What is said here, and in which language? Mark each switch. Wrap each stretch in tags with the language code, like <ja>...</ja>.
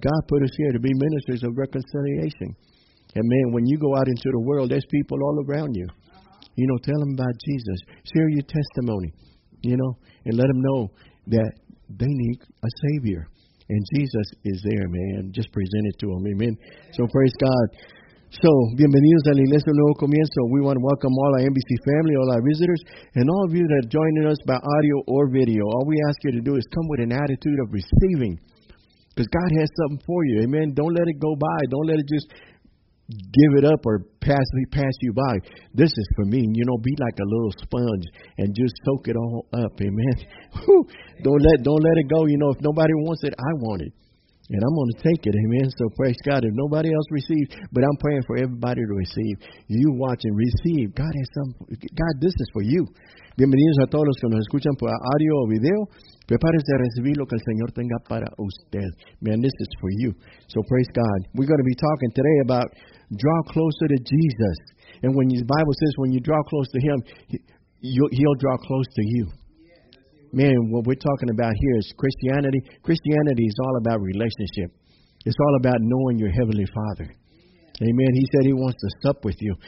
<en>God put us here to be ministers of reconciliation. Amen. When you go out into the world, there's people all around you. You know, tell them about Jesus. Share your testimony. You know, and let them know that they need a Savior. And Jesus is there, man. Just present it to them. Amen. So, praise God.</en> <es>So, bienvenidos a la Iglesia Nuevo Comienzo.</es> <en>We want to welcome all our NBC family, all our visitors, and all of you that are joining us by audio or video. All we ask you to do is come with an attitude of receiving. Because God has something for you. Amen. Don't let it go by. Don't let it just give it up or pass you by. This is for me. You know, be like a little sponge and just soak it all up. Amen. Don't let it go. You know, if nobody wants it, I want it. And I'm going to take it. Amen. So praise God. If nobody else receives, but I'm praying for everybody to receive. You watch and receive. God has some. God, this is for you.</en> <es>Bienvenidos a todos los que nos escuchan por audio o video. Prepárese a recibir lo que el Señor tenga para usted.</es> <en>Man, this is for you. So praise God. We're going to be talking today about draw closer to Jesus. And when the Bible says when you draw close to Him, He'll draw close to you. Man, what we're talking about here is Christianity. Christianity is all about relationship. It's all about knowing your Heavenly Father. Amen. He said He wants to sup with you.</en>